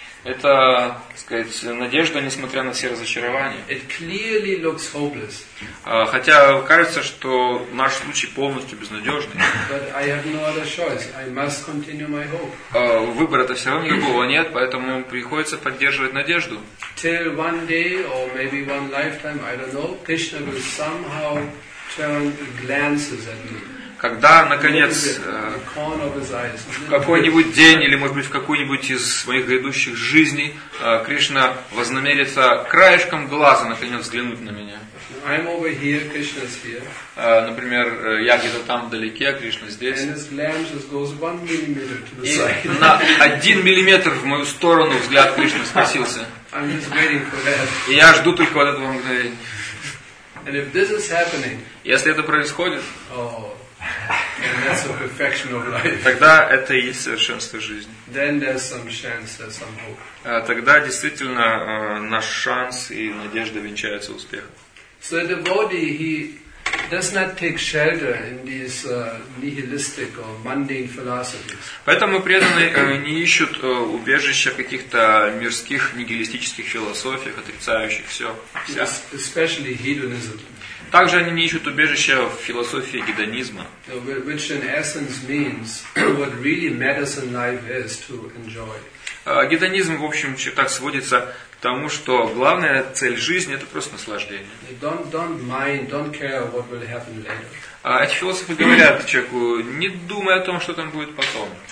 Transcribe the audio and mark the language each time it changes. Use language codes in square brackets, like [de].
[ru] Это, так сказать, надежда, несмотря на все разочарования. [en] It clearly looks hopeless. [ru] Хотя кажется, что наш случай полностью безнадежный. [en] But I have no other choice. I must continue my hope. [ru] Выбора-то все равно никакого нет, поэтому приходится поддерживать надежду. [en] Till one day or maybe one lifetime, I don't know, Krishna will somehow turn glances at me. [ru] Когда, наконец, В какой-нибудь день или, может быть, в какую-нибудь из своих грядущих жизней Кришна вознамерится краешком глаза наконец взглянуть на меня. [en] I'm over here, Krishna's here. [ru] Например, я где-то там вдалеке, а Кришна здесь. [en] And his lamp just goes 1 millimeter to the side. [ru] И на 1 миллиметр в мою сторону взгляд Кришны скосился. [en] I'm just waiting for that. [ru] И я жду только вот этого мгновения. [en] And if this is happening, [ru] если это происходит, [en] and that's a perfection of life. [ru] Тогда это и есть совершенство жизни. [en] Then there's some chance, there's some hope. [ru] Тогда действительно наш шанс и надежда венчаются успехом. [en] So the devotee, he does not take shelter in these nihilistic or mundane philosophies. [ru] Поэтому преданные не ищут убежища в каких-то мирских нигилистических философиях, отрицающих все. [en] Especially hedonism. [ru] Также они не ищут убежища в философии гедонизма. [en] Which in essence means what really matters in life is to enjoy. [ru] Гедонизм, в общем, так сводится к тому, что главная цель жизни – это просто наслаждение. Эти философы говорят человеку, не думай о том, что там будет потом.